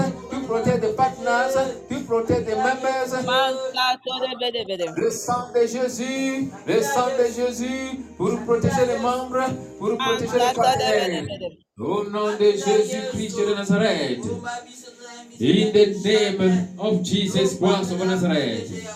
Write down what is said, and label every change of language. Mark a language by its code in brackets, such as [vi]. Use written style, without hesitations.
[en] To protect the partners, to protect the members. [fr] Le sang de Jésus, le sang de Jésus, pour protéger les membres, pour protéger les partenaires. Au nom de Jésus-Christ de Nazareth. [en] In the name of Jesus Christ of Nazareth.